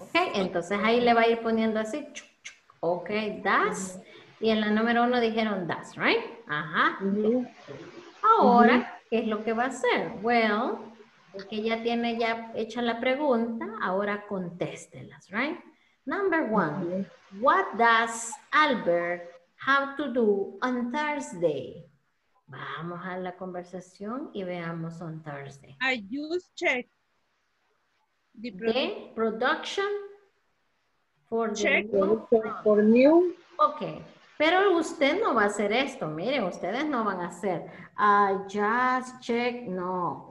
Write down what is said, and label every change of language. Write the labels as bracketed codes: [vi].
[es] Ok, entonces ahí le va a ir poniendo así. Ok, das. Y en la número uno dijeron das, [en] right? [es] Ajá. Ahora, ¿qué es lo que va a hacer? [en] Well, [es] porque ya tiene ya hecha la pregunta, ahora contéstelas, [en] right? Number one, what does Albert have to do on Thursday? [es] Vamos a la conversación y veamos [en] on Thursday. I use check. The production, the production for check the new for new. [es] Ok. Pero usted no va a hacer esto. Mire, ustedes no van a hacer [en] just check. [es] No.